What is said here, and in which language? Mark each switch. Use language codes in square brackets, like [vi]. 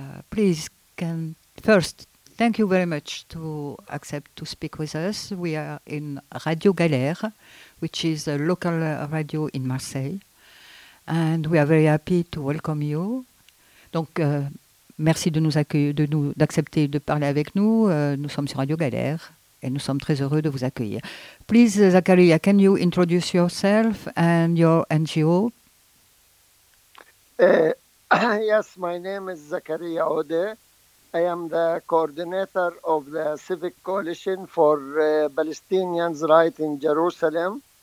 [en] Please, can first thank you very much to accept to speak with us. We are in Radio Galère, which is a local radio in Marseille, and we are very happy to welcome you. [fr] Donc, merci de nous accueillir, d'accepter de parler avec nous. Nous sommes sur Radio Galère. Et nous sommes très heureux de vous accueillir. [en] Please, Zakaria, can you introduce yourself and your NGO? Yes, my name is Zakaria Odé. I am the coordinator of the Civic Coalition for Palestinians' Rights in Jerusalem.